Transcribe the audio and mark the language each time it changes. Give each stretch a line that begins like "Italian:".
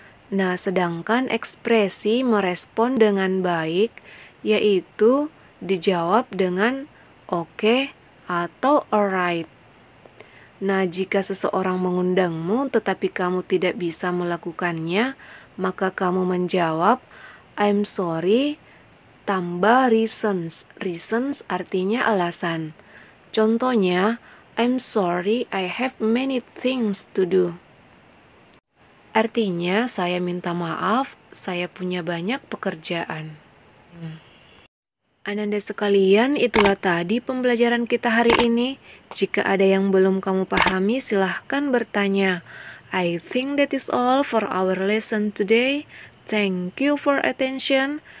Indonesian: Nah, sedangkan ekspresi merespon dengan baik, yaitu dijawab dengan okay atau alright. Nah, jika seseorang mengundangmu tetapi kamu tidak bisa melakukannya, maka kamu menjawab
English: I'm sorry
Indonesian: tambah reasons. Reasons artinya alasan.
English: Contohnya, I'm sorry I have many things to do.
Indonesian: Artinya, saya minta maaf, saya punya banyak pekerjaan. Ananda sekalian, itulah tadi pembelajaran kita hari ini. Jika ada yang belum kamu pahami, silahkan bertanya.
English: I think that is all for our lesson today. Thank you for attention.